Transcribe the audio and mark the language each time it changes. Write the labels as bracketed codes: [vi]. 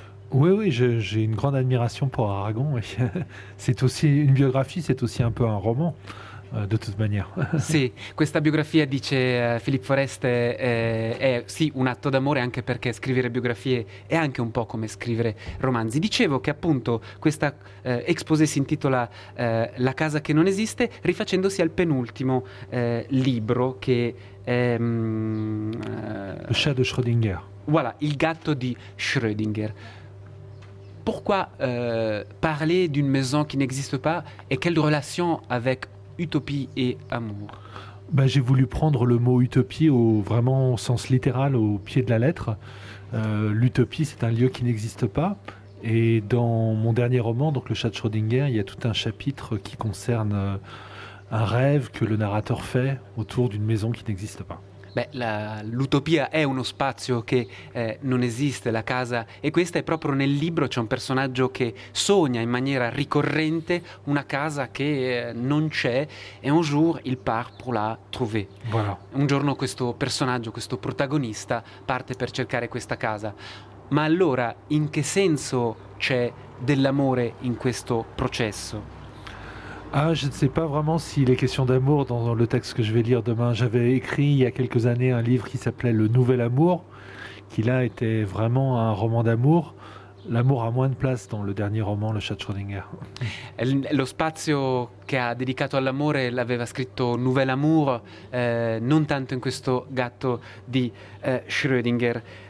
[fr] Oui, j'ai une grande admiration pour Aragon. C'est aussi une biographie, c'est aussi un peu un roman, de toute manière. [it] Sì, questa biografia, dice Philippe Forest, è sì un atto d'amore anche perché scrivere biografie è anche un po' come scrivere romanzi. Dicevo che appunto questa exposé si intitola La casa che non esiste, rifacendosi al penultimo libro che è [fr] Le chat de Schrödinger. [it] voilà, Il gatto di Schrödinger. [fr] Pourquoi parler d'une maison qui n'existe pas et quelle relation avec Utopie et amour. Ben, j'ai voulu prendre le mot utopie au vraiment au sens littéral, au pied de la lettre. L'utopie, c'est un lieu qui n'existe pas. Et dans mon dernier roman, donc Le chat de Schrödinger, il y a tout un chapitre qui concerne un rêve que le narrateur fait autour d'une maison qui n'existe pas. [it] Beh, l'utopia è uno spazio che non esiste, la casa, e questa è proprio nel libro, c'è un personaggio che sogna in maniera ricorrente una casa che non c'è, e [fr] un jour il part pour la trouver. Voilà. [it] Un giorno questo personaggio, questo protagonista, parte per cercare questa casa. Ma allora, in che senso c'è dell'amore in questo processo? [fr] Ah, je ne sais pas vraiment s'il est question d'amour dans le texte que je vais lire demain. J'avais écrit il y a quelques années un livre qui s'appelait Le Nouvel Amour, qui là était vraiment un roman d'amour. L'amour a moins de place dans le dernier roman, Le chat de Schrödinger. [it] Lo spazio che ha dedicato all'amore l'aveva scritto Nouvel Amour, non tanto in questo gatto di Schrödinger.